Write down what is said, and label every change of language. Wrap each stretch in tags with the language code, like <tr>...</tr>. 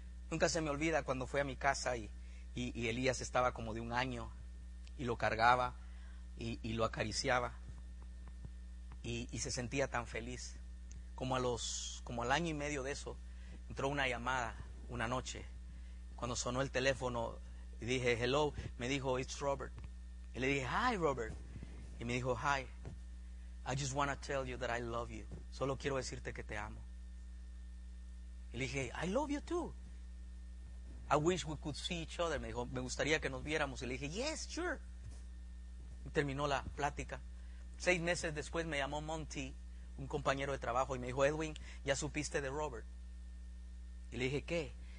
<es>Nunca se me olvida cuando fue a mi casa y Elías estaba como de un año y lo cargaba y lo acariciaba y se sentía tan feliz. Como al año y medio de eso, entró una llamada una noche. Cuando sonó el teléfono, dije,</es> <en>hello,</en> <es>me dijo,</es> <en>it's Robert.</en> <es>Y le dije,</es> <en>hi, Robert.</en> <es>Y me dijo,</es> <en>hi, I just want to tell you that I love you.</en> <es>Solo quiero decirte que te amo. Y le dije,</es> <en>I love you too. I wish we could see each other.</en> <es>Me dijo, me gustaría que nos viéramos. Y le dije,</es> <en>yes, sure.</en> <es>Y terminó la plática. Seis meses después me llamó Monty, un compañero de trabajo, y me dijo, Edwin, ¿ya supiste de Robert? Y le dije, ¿qué?</es>